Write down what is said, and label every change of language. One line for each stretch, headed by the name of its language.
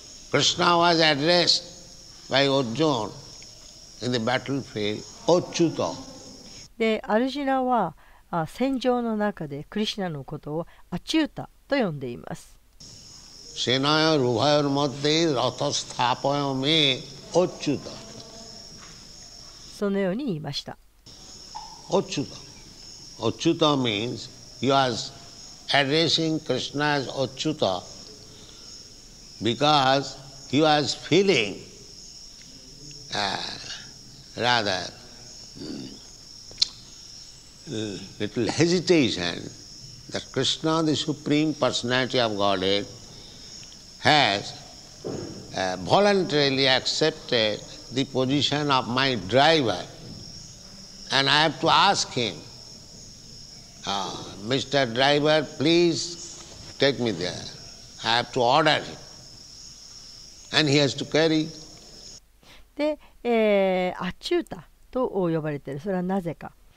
English: Krishna was addressed by Arjuna in the battlefield.
Japanese: でアルジナは戦場の中でクリシナのことをアチュータと呼んでいます。
Sanskrit: セナヤルバヤルマッデイラタスタパヨメアチュータ。
Japanese: そのように言いました。
English: アチュータ、アチュータ means you are addressing Krishna as アチュータ because you are feeling rather little hesitation that Krishna, the supreme personality of Godhead, has voluntarily accepted the position of my driver, and I have to ask him, Mr. Driver, please take me there. I have to order him, and he has to carry.
Japanese: で、アチュータと呼ばれている。それはなぜか。